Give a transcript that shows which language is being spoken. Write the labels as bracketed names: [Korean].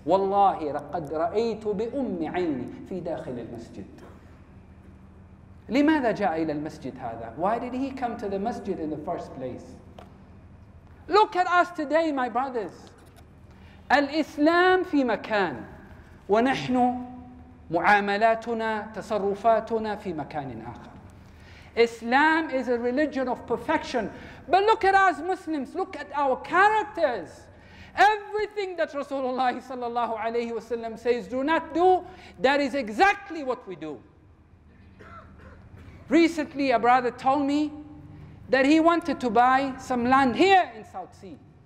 [Arabic] Wallahi, لقد رأيت بأم عيني في داخل المسجد. لماذا جاء إلى المسجد هذا? [English] Why did he come to the masjid in the first place? Look at us today, my brothers. [Arabic] الإسلام في مكان ونحن معاملاتنا تصرفاتنا في مكان آخر. [English] Islam is a religion of perfection. But look at us Muslims, look at our characters. Everything that Rasulullah sallallahu alayhi wa sallam says, do not do, that is exactly what we do. Recently, a brother told me that he wanted to buy some land here in South Sea.